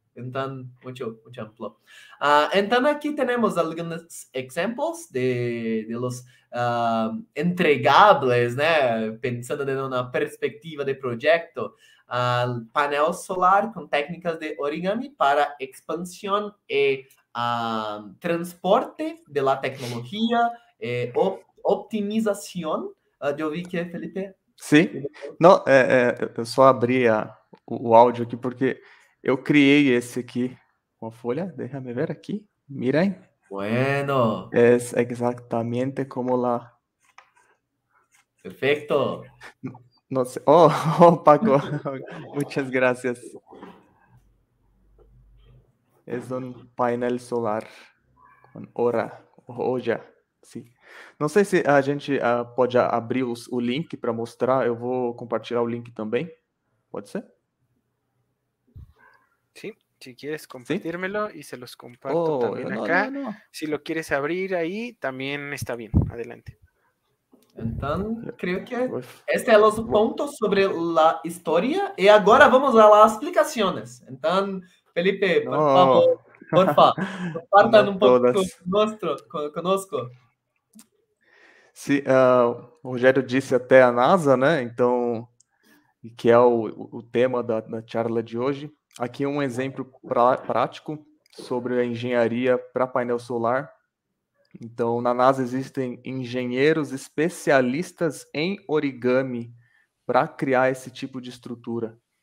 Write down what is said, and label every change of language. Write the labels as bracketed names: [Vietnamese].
[Spanish] Entonces, mucho amplio. Entonces, aquí tenemos algunos ejemplos de los entregables, ¿no? Pensando en una perspectiva de proyecto. Panel solar con técnicas de origami para expansión y transporte de la tecnología, optimización. Yo vi que Felipe. [Portuguese] Sí, no, yo só abri o áudio aqui porque eu criei esse aqui com a folha. [Spanish] Déjame ver aqui, miren. Bueno, es exactamente como la. Perfecto. No sé. Oh, Paco, muchas gracias. Es un panel solar con olla. Sí. No sé si [Portuguese] a gente [Spanish] puede abrir el link para mostrar. Yo voy a compartir el link también. ¿Puede ser? Sí, si quieres compartírmelo, ¿sí? Y se los comparto también acá. No. Si lo quieres abrir ahí, también está bien. Adelante. Entonces, creo que este es los puntos sobre la historia y ahora vamos a las explicaciones. Entonces, Felipe, por favor, comparta un poco con nosotros. [Portuguese] Sí, Rogério disse até a NASA, né? Então, que é o tema da charla de hoje. Aqui um exemplo prático sobre a engenharia para painel solar. Então, na NASA existem engenheiros especialistas em origami para criar esse tipo de estrutura.